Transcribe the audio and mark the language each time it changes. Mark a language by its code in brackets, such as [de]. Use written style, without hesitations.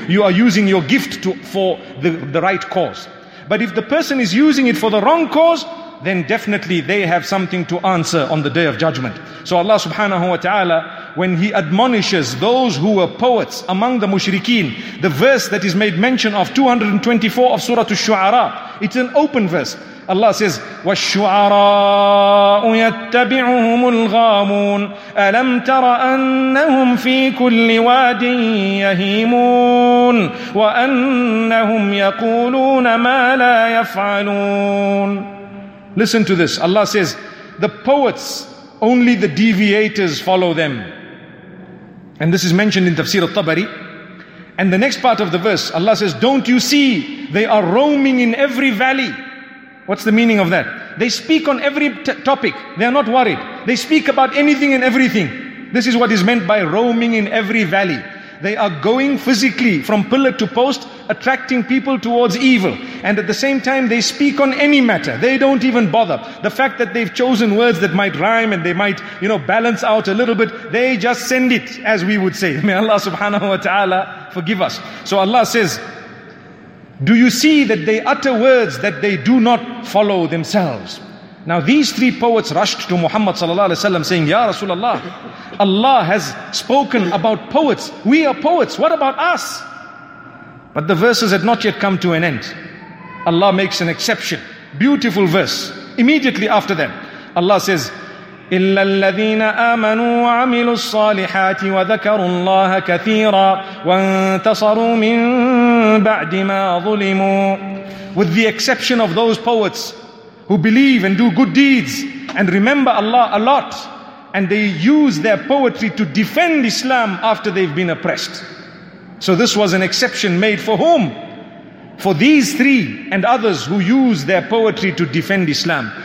[en] You are using your gift for the right cause. But if the person is using it for the wrong cause, then definitely they have something to answer on the Day of Judgment. So Allah subhanahu wa ta'ala, when He admonishes those who were poets among the mushrikeen, the verse that is made mention of, 224 of Surah Ash-Shu'ara, it's an open verse. Allah says, [ar] وَالشُّعَرَاءُ يَتَّبِعُهُمُ الْغَامُونَ أَلَمْ تَرَ أَنَّهُمْ فِي كُلِّ وَادٍ يَهِيمُونَ وَأَنَّهُمْ يَقُولُونَ مَا لَا يَفْعَلُونَ. [en] Listen to this. Allah says, the poets, only the deviators follow them. And this is mentioned in Tafsir al-Tabari. And the next part of the verse, Allah says, don't you see, they are roaming in every valley. What's the meaning of that? They speak on every topic. They are not worried. They speak about anything and everything. This is what is meant by roaming in every valley. They are going physically from pillar to post, attracting people towards evil. And at the same time, they speak on any matter. They don't even bother. The fact that they've chosen words that might rhyme and they might, you know, balance out a little bit, they just send it, as we would say. May Allah subhanahu wa ta'ala forgive us. So Allah says, do you see that they utter words that they do not follow themselves? Now these three poets rushed to Muhammad sallallahu alaihi wasallam saying, Ya Rasulullah, Allah has spoken about poets. We are poets. What about us? But the verses had not yet come to an end. Allah makes an exception. Beautiful verse. Immediately after that, Allah says, [ar] إِلَّا الَّذِينَ آمَنُوا وَعَمِلُوا الصَّالِحَاتِ وَذَكَرُوا اللَّهَ كَثِيرًا وَانْتَصَرُوا مِنْ بَعْدِ مَا ظُلِمُوا. [en] With the exception of those poets who believe and do good deeds and remember Allah a lot, and they use their poetry to defend Islam after they've been oppressed. So this was an exception made for whom? For these three and others who use their poetry to defend Islam.